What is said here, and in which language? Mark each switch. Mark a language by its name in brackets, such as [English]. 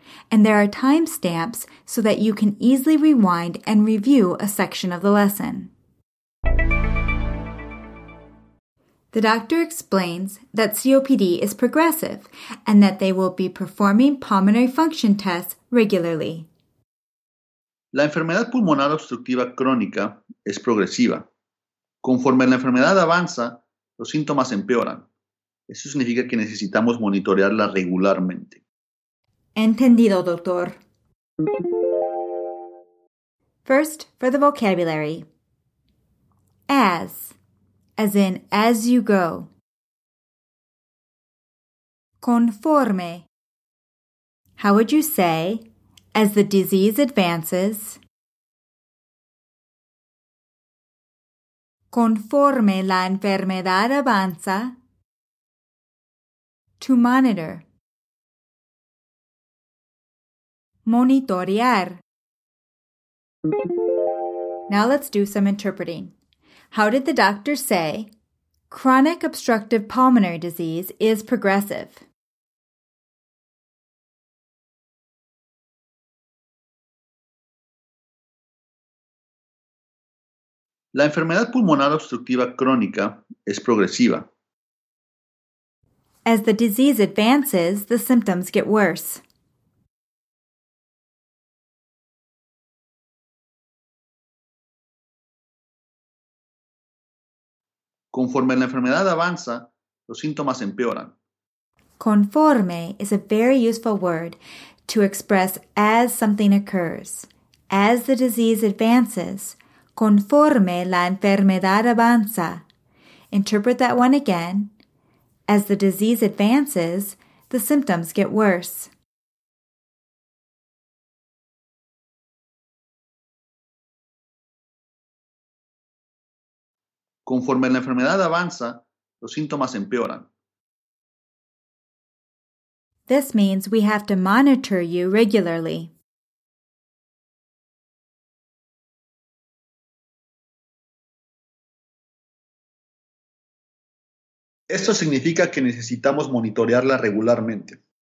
[English] And there are timestamps so that you can easily rewind and review a section of the lesson. The doctor explains that COPD is progressive and that they will be performing pulmonary function tests regularly. [Spanish] La enfermedad pulmonar obstructiva crónica es progresiva. Conforme la enfermedad avanza, los síntomas empeoran. Eso significa que necesitamos monitorearla regularmente. Entendido, doctor. [English] First, for the vocabulary. As in as you go. Conforme. How would you say, as the disease advances? [Spanish] Conforme la enfermedad avanza. [English] To monitor. [Spanish] Monitorear. [English] Now let's do some interpreting. How did the doctor say, chronic obstructive pulmonary disease is progressive? [Spanish] La enfermedad pulmonar obstructiva crónica es progresiva. [English] As the disease advances, the symptoms get worse. [Spanish] Conforme la enfermedad avanza, los síntomas empeoran. [English] Conforme is a very useful word to express as something occurs. As the disease advances, [Spanish] conforme la enfermedad avanza. [English] Interpret that one again. As the disease advances, the symptoms get worse. [Spanish] Conforme la enfermedad avanza, los síntomas empeoran. [English] This means we have to monitor you regularly. [Spanish] Esto significa que necesitamos monitorearla regularmente.